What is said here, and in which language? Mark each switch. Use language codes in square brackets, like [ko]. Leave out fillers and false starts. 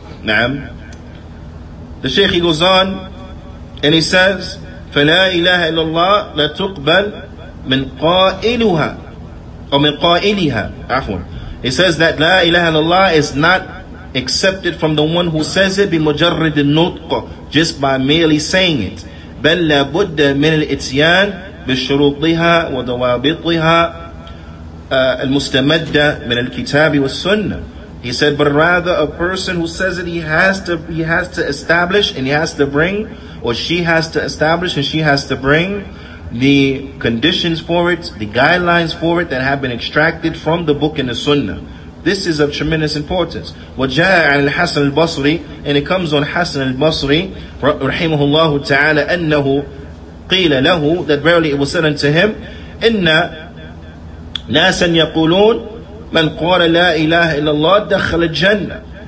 [en] Naam. The Shaykh, he goes on, and he says, [ar] فَلَا إِلَهَ إِلَّا اللَّهِ لَتُقْبَلْ مِنْ قَائِلُهَا أو مِنْ قَائِلِهَا عَفْوًا. [en] He says that La ilaha illallah is not accepted from the one who says it [ar] بِمُجَرِّدِ النُّطْقُ, [en] just by merely saying it. [ar] بَلْ لَبُدَّ مِنْ الْإِتْيَانِ بشروطها وضوابطها المستمدة من الكتاب والسنة. [en] He said, but rather a person who says it, he has to establish and he has to bring, or she has to establish and she has to bring the conditions for it, the guidelines for it that have been extracted from the book and the Sunnah. This is of tremendous importance. [ar] وجاء عن الحسن البصري, [en] and it comes on Hassan al-Basri [ar] رحمه الله تعالى أنه قيل له, [en] that verily it was said unto him, [ar] إِنَّ نَاسًا يَقُولُونَ مَنْ قَالَ لَا إِلَهَ إِلَّا اللَّهِ دَخَلَ الْجَنَّةِ.